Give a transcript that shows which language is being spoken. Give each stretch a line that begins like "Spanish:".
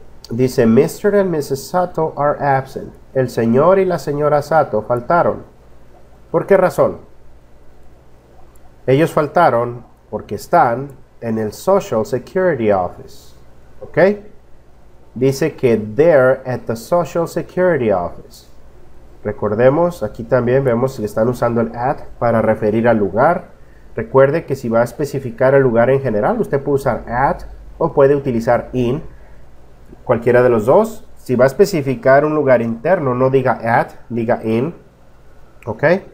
Spanish: Dice,
English: Mr. and Mrs. Sato are absent.
Spanish: El señor y la señora Sato faltaron. ¿Por qué razón? Ellos faltaron porque están en el Social Security Office. ¿Ok? Dice que
English: they're at the Social Security Office.
Spanish: Recordemos, aquí también vemos que están usando el at para referir al lugar. Recuerde que si va a especificar el lugar en general, usted puede usar at o puede utilizar in, cualquiera de los dos. Si va a especificar un lugar interno, no diga at, diga in, ¿ok?